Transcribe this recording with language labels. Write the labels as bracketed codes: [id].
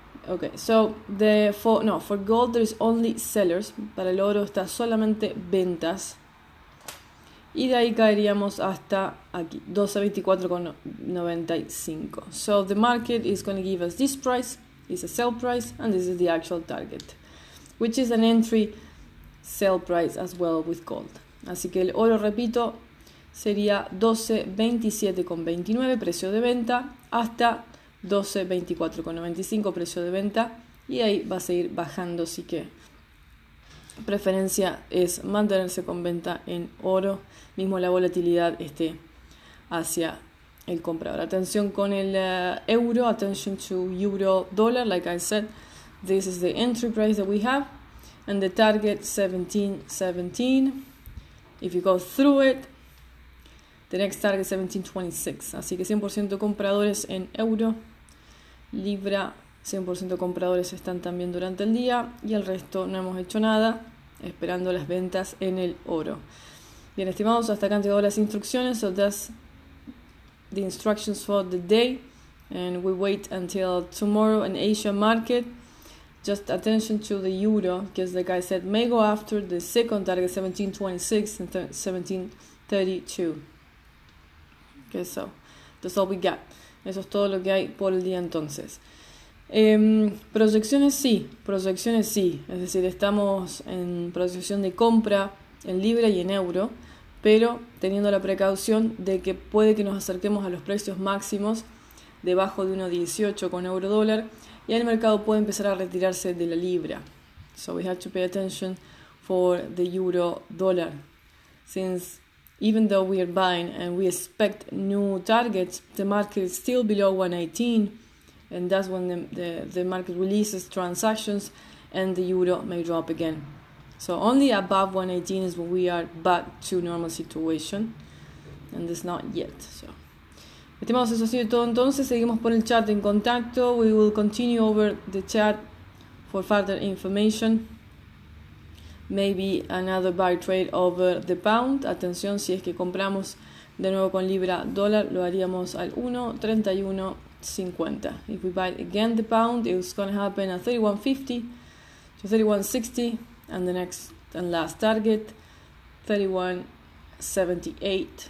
[en] Okay, so the for no for gold there is only sellers, [es] para el oro está solamente ventas. Y de ahí caeríamos hasta aquí, 12.24.95. [en] So the market is going to give us this price, is a sell price, and this is the actual target, which is an entry sell price as well with gold. [es] Así que el oro, repito, sería 12.27.29 precio de venta hasta 12.24.95 precio de venta, y ahí va a seguir bajando, así que preferencia es mantenerse con venta en oro, mismo la volatilidad esté hacia el comprador. Atención con el euro, [en] attention to euro dollar, like I said, this is the entry price that we have, and the target 17.17. If you go through it, the next target 17.26. [es] Así que 100% compradores en euro, libra, 100% compradores están también durante el día, y el resto no hemos hecho nada. Esperando las ventas en el oro. Bien, estimados, hasta acá han llegado las instrucciones. [en] So that's the instructions for the day. And we wait until tomorrow in Asia market. Just attention to the euro, because like I said, may go after the second target, 17.26 and 17.32. Okay, so that's all we got. [es] Eso es todo lo que hay por el día entonces. Proyecciones sí, es decir, estamos en proyección de compra en libra y en euro, pero teniendo la precaución de que puede que nos acerquemos a los precios máximos debajo de 1.18 con euro dólar y el mercado puede empezar a retirarse de la libra. [en] So we have to pay attention for the euro dollar. Since even though we are buying and we expect new targets, the market is still below 1.18. And that's when the market releases transactions and the euro may drop again. So only above 118 is when we are back to normal situation. And it's not yet. [es] So, estimados, eso ha sido todo entonces. Seguimos por el chat en contacto. [en] We will continue over the chat for further information. Maybe another buy trade over the pound. [es] Atención, si es que compramos de nuevo con libra dólar, lo haríamos al 1.31. 50. [en] If we buy again the pound, it's going to happen at 31.50 to 31.60, and the next and last target 31.78.